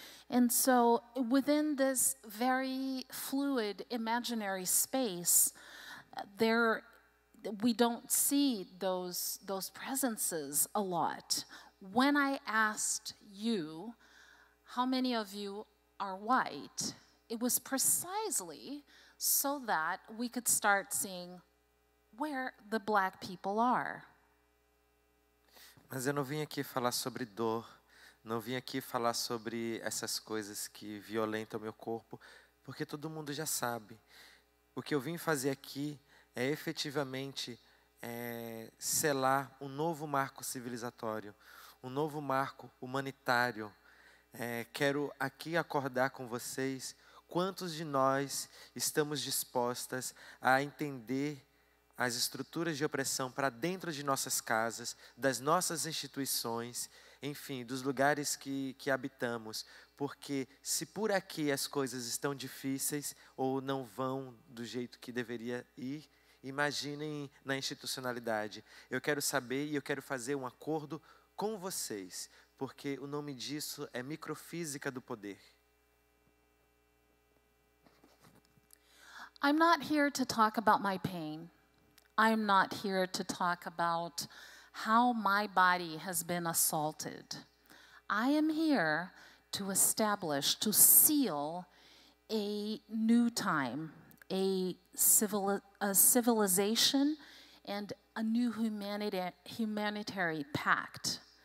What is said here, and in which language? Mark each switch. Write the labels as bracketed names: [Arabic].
[English] And so within this very fluid imaginary space, there we don't see those presences a lot. When I asked you how many of you are white, it was precisely so that we could start seeing where the black people are. [Portuguese] Mas eu não vim aqui falar sobre dor. Não vim aqui falar sobre essas coisas que violentam meu corpo, porque todo mundo já sabe. O que eu vim fazer aqui é efetivamente selar um novo marco civilizatório, um novo marco humanitário. Quero aqui acordar com vocês quantos de nós estamos dispostas a entender as estruturas de opressão para dentro de nossas casas, das nossas instituições, enfim, dos lugares que habitamos, porque se por aqui as coisas estão difíceis ou não vão do jeito que deveria ir, imaginem na institucionalidade. Eu quero saber e eu quero fazer um acordo com vocês, porque o nome disso é microfísica do poder. [English] I'm not here to talk about my pain. I'm not here to talk about how my body has been assaulted. I am here to establish, to seal a new time, a civilization and a new humanitarian pact.